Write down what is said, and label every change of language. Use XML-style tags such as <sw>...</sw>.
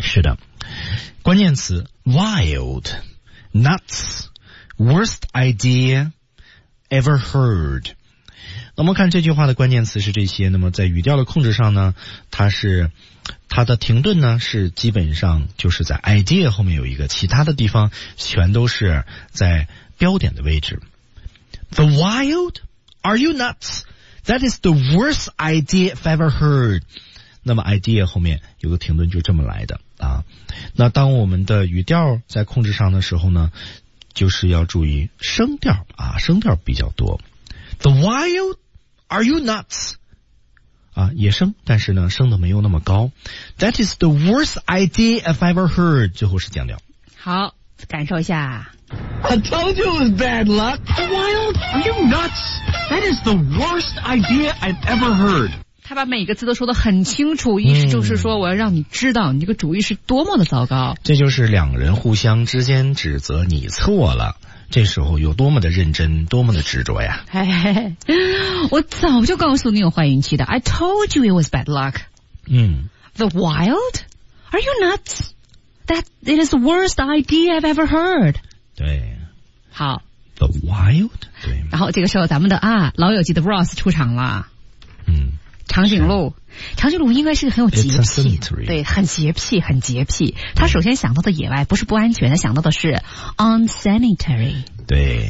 <zh>是的关键词</zh> <en>wild nuts worst idea ever heard。</en> <zh>那我们看这句话的关键词是这些，那么在语调的控制上呢，它是它的停顿呢是基本上就是在 idea 后面有一个，其他的地方全都是在标点的位置。</zh> <en>The wild? Are you nuts? That is the worst idea I've ever heard.</en> <zh>那么 idea 后面有个停顿就这么来的啊。那当我们的语调在控制上的时候呢，就是要注意声调啊，声调比较多。</zh> <en>The wild? Are you nuts?</en> <zh>啊，野声，但是呢，声的没有那么高。</zh> <en>That is the worst idea I've ever heard.</en> <zh>最后是降调。好，感受一下。</zh> <en>I told you it was bad luck. The wild? Are you nuts? That is the worst idea I've ever heard.</en> <zh>他把每个字都说得很清楚，意思就是说我要让你知道你这个主意是多么的糟糕。这就是两人互相之间指责你错了。这时候有多么的认真，多么的执着呀。嘿嘿，我早就告诉你有坏运气的。</zh> <en>I told you it was bad luck. The wild? Are you nuts? It is the worst idea I've ever heard.</en> <zh>对。好。</zh> <en>The wild? 对。</en> <zh>然后这个时候咱们的啊老友记的 Ross 出场了。长颈鹿。长颈鹿应该是很有洁癖，对，很洁癖，很洁癖。他首先想到的野外不是不安全，他想到的是 unsanitary，对，</zh>